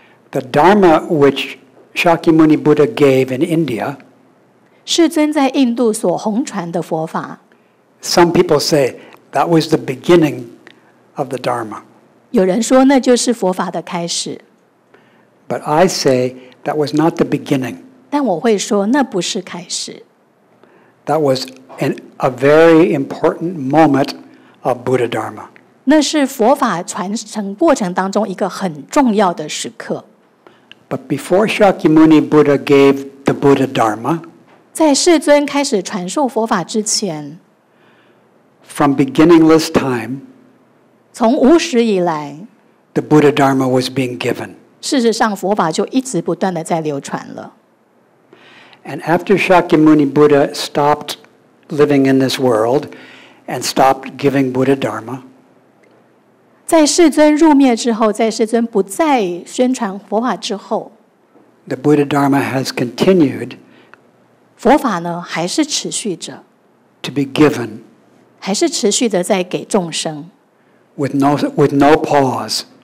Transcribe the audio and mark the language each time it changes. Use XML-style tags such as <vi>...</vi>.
<en>The Dharma which Shakyamuni Buddha gave in India</en> <zh>世尊在印度所弘传的佛法</zh> <en>Some people say that was the beginning of the Dharma</en> <zh>有人说那就是佛法的开始</zh> <en>But I say that was not the beginning</en> <zh>但我会说那不是开始</zh> <en>That was a very important moment of Buddha Dharma</en> <zh>那是佛法传承过程当中一个很重要的时刻</zh> <en>But before Shakyamuni Buddha gave the Buddha Dharma,</en> <zh>在世尊开始传授佛法之前</zh> <en>from beginningless time,</en> <zh>从无始以来</zh> <en>the Buddha Dharma was being given.</en> <zh>事实上佛法就一直不断地在流传了。</zh> <en>And after Shakyamuni Buddha stopped living in this world and stopped giving Buddha Dharma,</en> <zh>在世尊入灭之后，在世尊不再宣传佛法之后</zh> <en>，The Buddha Dharma has continued.</en> <zh>佛法呢，还是持续着</zh> <en>，to be given，</en> <zh>还是持续的在给众生</zh> <en>，with no pause，</en>